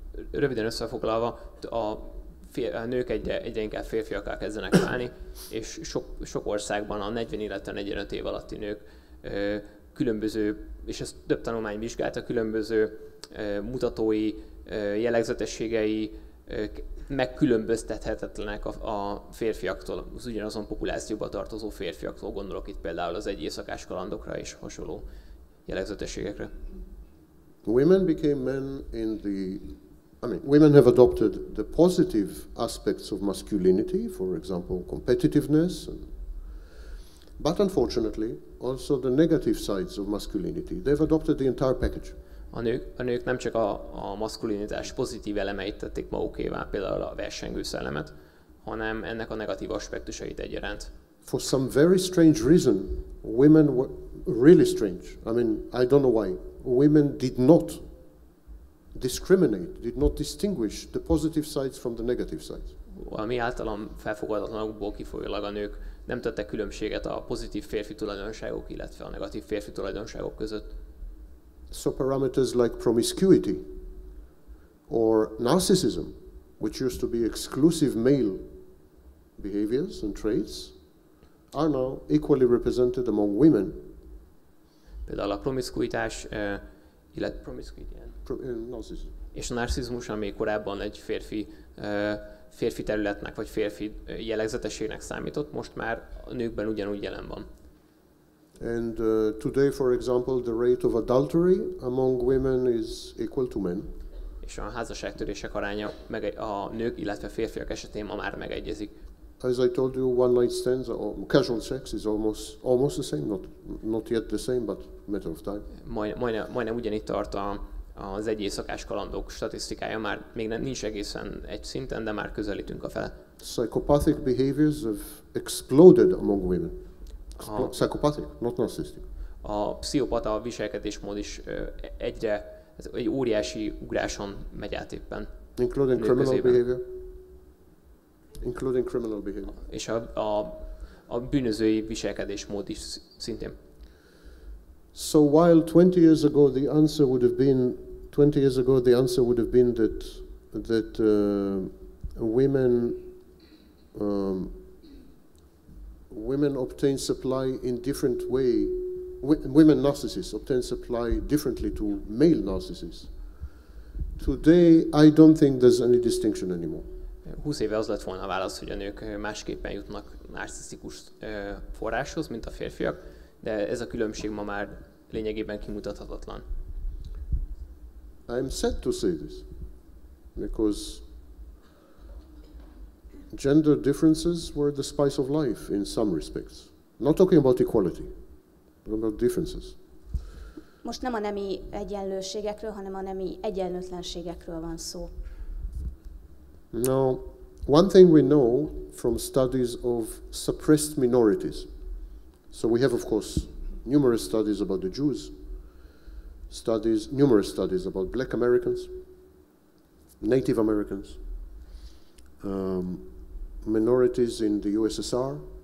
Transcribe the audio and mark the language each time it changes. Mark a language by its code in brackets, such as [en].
[hu] Röviden összefoglalva, a nők egyre inkább férfiakká kezdenek válni, és sok országban a 40 illetve 45 év alatti nők különböző, és ezt több tanulmány vizsgálta, különböző mutatói, jellegzetességei megkülönböztethetetlenek a férfiaktól, az ugyanazon populációba tartozó férfiaktól, gondolok itt például az egyéjszakás kalandokra és hasonló jellegzetességekre. [en] Women became men in the, I mean, women have adopted the positive aspects of masculinity, for example, competitiveness, but unfortunately, also the negative sides of masculinity. They've adopted the entire package. [hu] A nők nem csak a maszkulinitás pozitív elemeit tették magukévá, például a versengő szellemet, hanem ennek a negatív aspektusait egyaránt. [en] For some very strange reason, women were really strange. I mean, I don't know why. Women did not discriminate, did not distinguish the positive sides from the negative sides. [hu] Valami általam felfogadatlanokból kifolyólag a nők nem tettek különbséget a pozitív férfi tulajdonságok, illetve a negatív férfi tulajdonságok között. [en] So parameters like promiscuity or narcissism, which used to be exclusive male behaviors and traits, are now equally represented among women. [hu] Például a promiscuitás, illetve promiscuity, [en] narcissism. [hu] És a narcizmus, ami korábban egy férfi területnek vagy férfi jellegzetességnek számított, most már a nőkben ugyanúgy jelen van. [en] And today, for example, the rate of adultery among women is equal to men. [hu] És a házasságtörések aránya meg a nők, illetve a férfiak esetén ma már megegyezik. [en] As I told you, one night stands or casual sex is almost the same, not yet the same, but matter of time. [hu] Majdnem ugyanígy tart az egyéjszakás kalandok statisztikája, már még nincs egészen egy szinten, de már közelítünk a fele. [en] Psychopathic behaviors have exploded among women. Psychopathic, not narcissistic. [hu] A pszichopata viselkedésmód is egyre ez egy óriási ugráson megy át éppen. [en] Including criminal behavior. Including criminal behavior. [hu] És a bűnözői viselkedésmód is szintén. [en] So while 20 years ago the answer would have been 20 years ago the answer would have been that women women obtain supply in different way. Women narcissists obtain supply differently to male narcissists. Today, I don't think there's any distinction anymore. [hu] 20 éve az lett volna a válasz, hogy a nők másképpen jutnak narcisztikus forráshoz, mint a férfiak, de ez a különbség ma már lényegében kimutathatatlan. [en] I'm sad to say this, because gender differences were the spice of life in some respects. Not talking about equality, but about differences. [hu] Most nem a nemi egyenlőségekről, hanem a nemi egyenlőtlenségekről van szó. [en] Now, one thing we know from studies of suppressed minorities. So we have, of course, numerous studies about the Jews, studies, numerous studies about Black Americans, Native Americans, minorities in the USSR.